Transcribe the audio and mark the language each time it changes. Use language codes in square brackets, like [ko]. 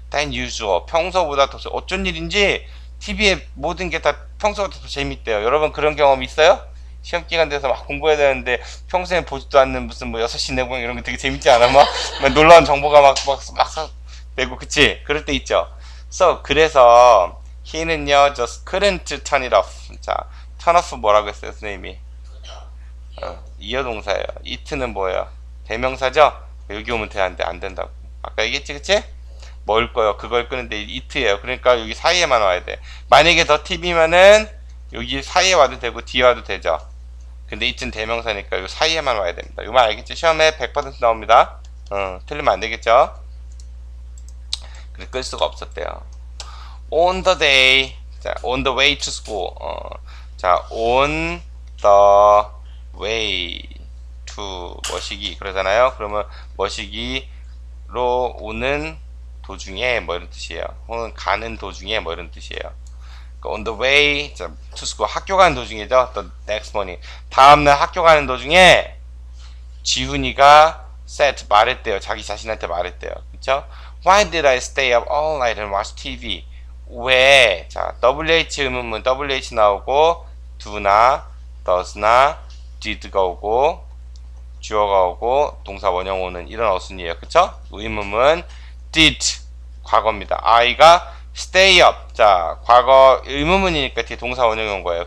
[en] than usual. [ko] 평소보다 더, 어쩐 일인지 TV에 모든 게다 평소보다 더 재밌대요. 여러분 그런 경험 있어요? 시험 기간 돼서 막 공부해야 되는데 평소에 보지도 않는 무슨 뭐 6시 내공 이런 거 되게 재밌지 않아? 막 놀라운 정보가 막 내고 그치? 그럴 때 있죠. [en] So, [ko] 그래서 [en] he는요 just couldn't turn it off. [ko] 자, turn off 뭐라고 했어요, 선생님이? 이어 동사예요. it는 뭐예요? 대명사죠? 여기 오면 되는데 안 된다고. 아까 얘기했지, 그치? 뭘 꺼요? 그걸 끄는데 it예요. 그러니까 여기 사이에만 와야 돼. 만약에 더 tv면은 여기 사이에 와도 되고 뒤에 와도 되죠. 근데 it은 대명사니까 여기 사이에만 와야 됩니다. 이말 알겠지? 시험에 100% 나옵니다. 틀리면 안 되겠죠? 그래서 끌 수가 없었대요. [en] On the day, 자, on the way to school. 자, on the way to [ko] 뭐시기 그러잖아요. 그러면 뭐시기로 오는 도중에 뭐 이런 뜻이에요. 혹은 가는 도중에 뭐 이런 뜻이에요. [en] On the way, 자, to school. [ko] 학교 가는 도중이죠. [en] The next morning. [ko] 다음날 학교 가는 도중에 지훈이가 [en] said [ko] 말했대요. 자기 자신한테 말했대요. 그렇죠? [en] Why did I stay up all night and watch TV? [ko] 왜? 자, WH 의문문 WH 나오고 do나 does나 did가 오고 주어가 오고 동사 원형 오는 이런 어순이에요. 그쵸? 의문문 did 과거입니다. [en] I가 stay up. [ko] 자, 과거 의문문이니까 뒤에 동사 원형이 온 거예요.